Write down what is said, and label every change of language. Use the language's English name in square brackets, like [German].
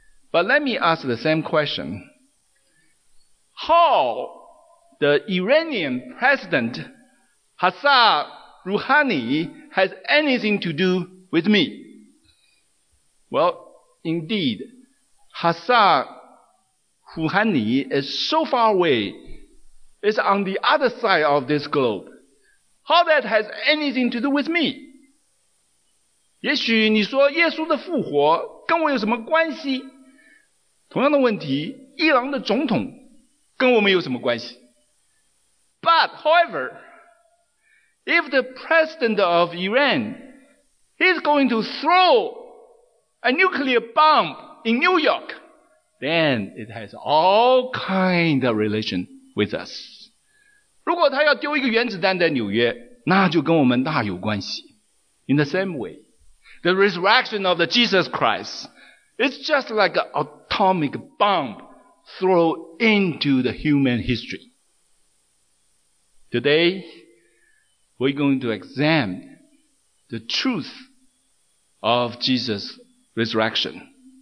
[English] But let me ask the same question. How the Iranian president Hassan Rouhani has anything to do with me? Well, indeed, Hassan Rouhani is so far away, is on the other side of this globe. How that has anything to do with me? [Chinese] 也许你说耶稣的复活跟我有什么关系？同样的问题，伊朗的总统跟我们有什么关系？ [English] But, however,If the president of Iran is going to throw a nuclear bomb in New York, then it has all kind of relation with us. [Chinese] 如果他要丢一个原子弹在纽约，那就跟我们大有关系。 [English] In the same way, the resurrection of the Jesus Christ is just like an atomic bomb thrown into the human history. Today,We're going to examine the truth of Jesus' resurrection.